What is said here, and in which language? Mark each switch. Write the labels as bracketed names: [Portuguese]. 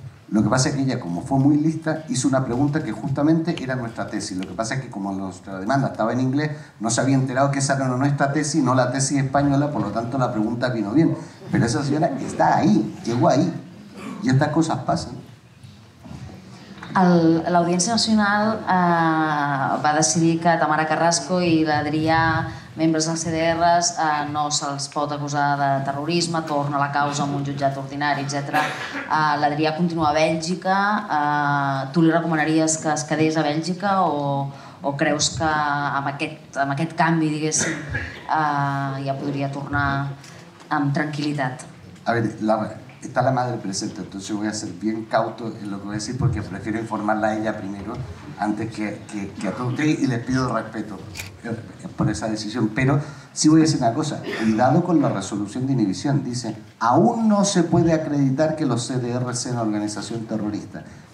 [Spanish] Lo que pasa es que ella, como fue muy lista, hizo una pregunta que justamente era nuestra tesis. Lo que pasa es que como nuestra demanda estaba en inglés, no se había enterado que esa era nuestra tesis, no la tesis española, por lo tanto la pregunta vino bien. Pero esa señora está ahí, llegó ahí. Y estas cosas pasan. [Catalan] L'Audiència Nacional va decidir que Tamara Carrasco i l'Adrià, membres dels CDRs, no se'ls pot acusar de terrorisme, torna la causa amb un jutjat ordinari, etc. L'Adrià continua a Bèlgica. Tu li recomanaries que es quedés a Bèlgica o creus que amb aquest canvi, diguéssim, ja podria tornar amb tranquil·litat? [Spanish] A veure, está la madre presente, entonces voy a ser bien cauto en lo que voy a decir porque prefiero informarla a ella primero antes que a todos ustedes, y les pido respeto por esa decisión. Pero sí voy a decir una cosa, cuidado con la resolución de inhibición. Dice, aún no se puede acreditar que los CDR sean organización terrorista.